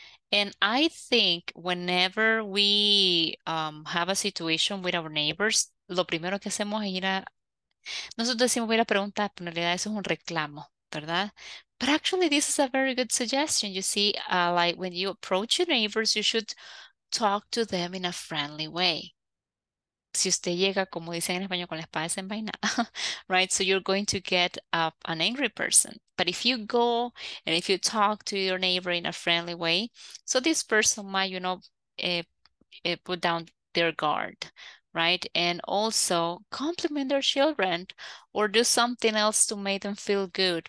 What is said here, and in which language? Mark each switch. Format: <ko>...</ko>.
<en>And I think whenever we have a situation with our neighbors,</en> <es>lo primero que hacemos es ir a, nosotros decimos voy a preguntar, pero en realidad eso es un reclamo, ¿verdad?</es> <en>But actually, this is a very good suggestion. You see, like when you approach your neighbors, you should talk to them in a friendly way.</en> <es>Si usted llega, como dicen en español, con la espada desenvainada, right?</es> <en>So you're going to get an angry person. But if you go and if you talk to your neighbor in a friendly way, so this person might, you know, put down their guard, right? And also compliment their children or do something else to make them feel good.</en>